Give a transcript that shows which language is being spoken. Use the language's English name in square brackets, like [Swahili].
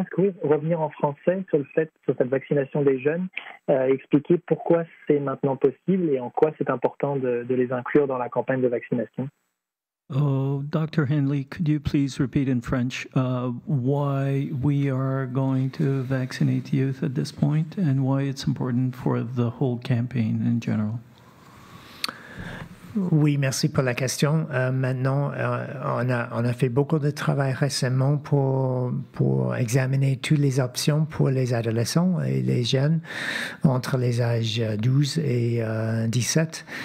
[French] Est-ce que vous pouvez revenir en français sur cette vaccination des jeunes, expliquer pourquoi c'est maintenant possible et en quoi c'est important de les inclure dans la campagne de vaccination? [English] Oh, Dr. Hanley, could you please repeat in French why we are going to vaccinate youth at this point and why it's important for the whole campaign in general? [French] Oui, merci pour la question. Maintenant, on a fait beaucoup de travail récemment pour examiner toutes les options pour les adolescents et les jeunes entre les âges 12 et 17.